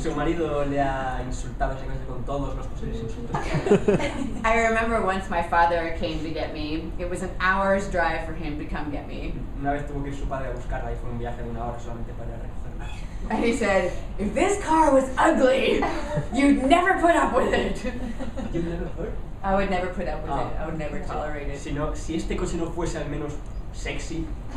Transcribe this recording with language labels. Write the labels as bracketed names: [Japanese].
[Spanish] Su marido le ha insultado ese coche con todos los posibles insultos. [English] I remember once my father came to get me. It was an hour's drive for him to come get me. [Spanish] Una vez tuvo que ir su padre a buscarla y fue un viaje de una hora solamente para recogerla. [English] And he said, "If this car was ugly, you'd never put up with it." You never heard? I would never put up with it. I would never tolerate it. [Spanish] Si este coche no fuese al menos sexy.